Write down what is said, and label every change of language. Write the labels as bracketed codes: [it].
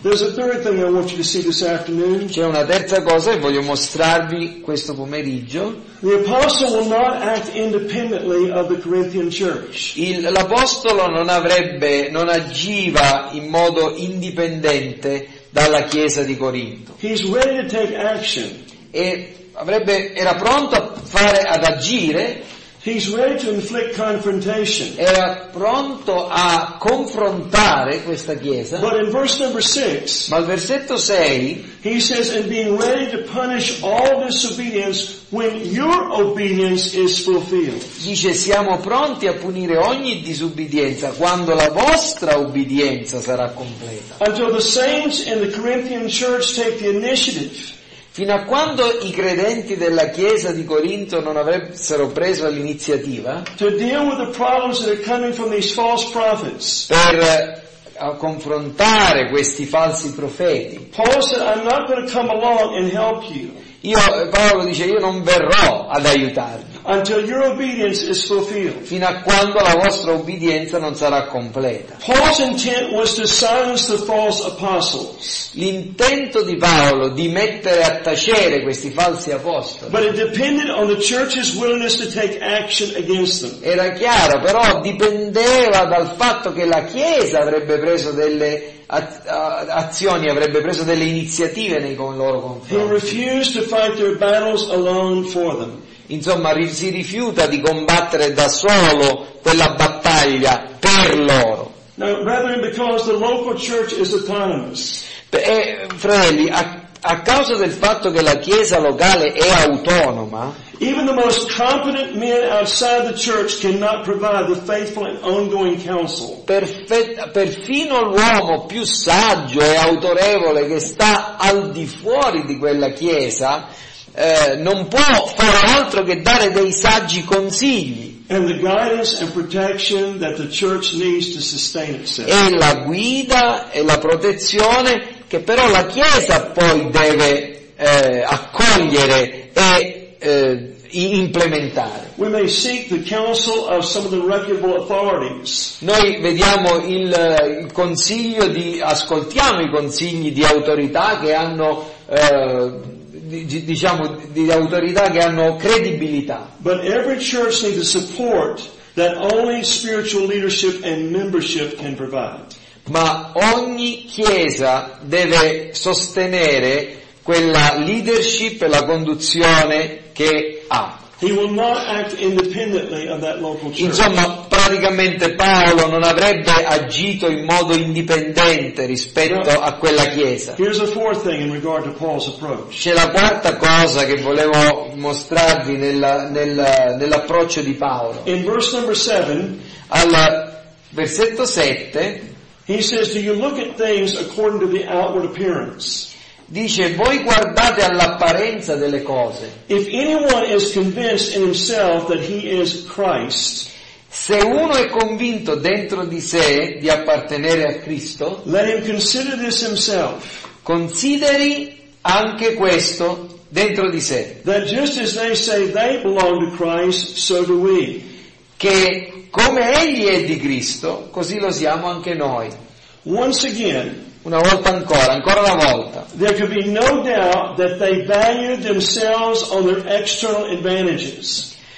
[en] There's a third thing I want you to see this afternoon. [it] C'è una terza cosa che voglio mostrarvi questo pomeriggio. [en] The apostle will not act independently of the Corinthian church. [it] L'apostolo non agiva in modo indipendente dalla chiesa di Corinto. [en] He's ready to take action. [it] E era pronto ad agire. [en] He's ready to inflict confrontation. [it] Era pronto a confrontare questa chiesa. [en] But in verse number 6, [it] ma al versetto 6, [en] he says, "And being ready to punish all disobedience when your obedience is fulfilled." [it] Dice, siamo pronti a punire ogni disobbedienza quando la vostra obbedienza sarà completa. [en] Until the saints in the Corinthian church take the initiative. [it] Fino a quando i credenti della Chiesa di Corinto non avrebbero preso l'iniziativa per confrontare questi falsi profeti. Paolo dice, io non verrò ad aiutarvi. [en] Until your obedience is fulfilled. [it] Fino a quando la vostra obbedienza non sarà completa. [en] Paul's intent was to silence the false apostles. [it] L'intento di Paolo di mettere a tacere questi falsi apostoli. [en] But it depended on the church's willingness to take action against them. [it] Era chiaro, però dipendeva dal fatto che la Chiesa avrebbe preso delle azioni, avrebbe preso delle iniziative nei loro confronti. [en] He refused to fight their battles alone for them. [it] Insomma, si rifiuta di combattere da solo quella battaglia per loro. [en] Now, brethren, because the local church is autonomous. [it] Fratelli, a causa del fatto che la chiesa locale è autonoma, [en] even the most competent men outside the church cannot provide the faithful and ongoing counsel. [it] Perfino l'uomo più saggio e autorevole che sta al di fuori di quella chiesa non può fare altro che dare dei saggi consigli e la guida e la protezione che però la Chiesa poi deve accogliere e implementare. [en] We may seek the counsel of some of the reputable authorities. [it] Noi vediamo il consiglio di, ascoltiamo i consigli di autorità che hanno diciamo di autorità che hanno credibilità. [en] But every church needs a support that only spiritual leadership and membership can provide. [it] Ma ogni chiesa deve sostenere quella leadership e la conduzione che ha. [en] He will not act independently of that local church. [it] Insomma, praticamente Paolo non avrebbe agito in modo indipendente rispetto a quella chiesa. [en] Here's a fourth thing in regard to Paul's approach. [it] C'è la quarta cosa che volevo mostrarvi nell'approccio di Paolo. [en] In verse number 7, [it] al versetto 7, [en] he says, "Do you look at things according to the outward appearance?" [it] Dice, voi guardate all'apparenza delle cose. [en] If anyone is convinced in himself that he is Christ, [it] se uno è convinto dentro di sé di appartenere a Cristo, [en] let him consider this himself. [it] Consideri anche questo dentro di sé. [en] That just as they say they belong to Christ, so do we. [it] Che come egli è di Cristo, così lo siamo anche noi. [en] Once again, [it] una volta ancora una volta. [en] There could be no doubt that they valued themselves on their external advantages.